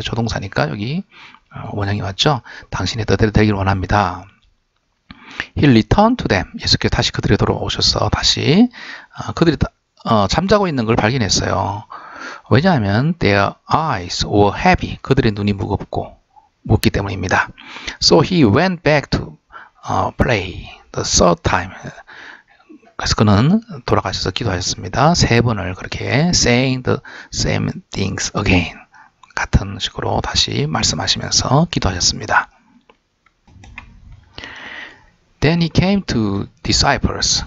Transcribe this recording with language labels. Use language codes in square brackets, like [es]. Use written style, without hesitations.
[ko] 조동사니까 여기 원형이 왔죠. 당신의 뜻대로 되기를 원합니다. [en] He returned to them. [ko] 예수께서 다시 그들에게 돌아오셔서 다시 그들이 잠자고 있는 걸 발견했어요. 왜냐하면 [en] their eyes were heavy. [ko] 그들의 눈이 무겁고 무겁기 때문입니다. [en] So he went back to pray the third time. [ko] 그래서 그는 돌아가셔서 기도하셨습니다. 세 번을 그렇게 [en] saying the same things again. [ko] 같은 식으로 다시 말씀하시면서 기도하셨습니다. [en] Then he came to disciples.